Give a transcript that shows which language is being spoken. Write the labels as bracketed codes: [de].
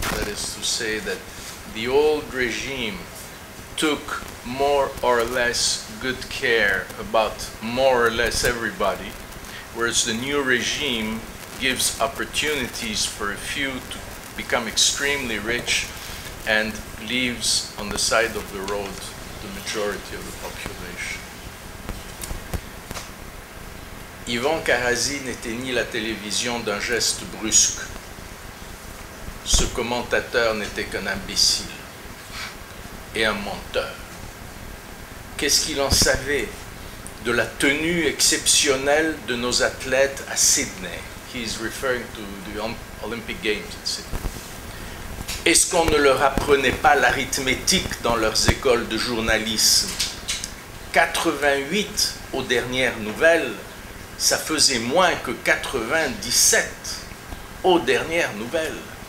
[en] That is to say that the old regime took more or less good care about more or less everybody, whereas the new regime gives opportunities for a few to become extremely rich and leaves on the side of the road the majority of the population. [fr] Ivan Karazin éteignit la télévision d'un geste brusque. Ce commentateur n'était qu'un imbécile et un menteur. Qu'est-ce qu'il en savait de la tenue exceptionnelle de nos athlètes à Sydney? [en] He is referring to the Olympic Games in Sydney. [fr] Est-ce qu'on ne leur apprenait pas l'arithmétique dans leurs écoles de journalisme? 88 aux dernières nouvelles, ça faisait moins que 97 aux dernières nouvelles.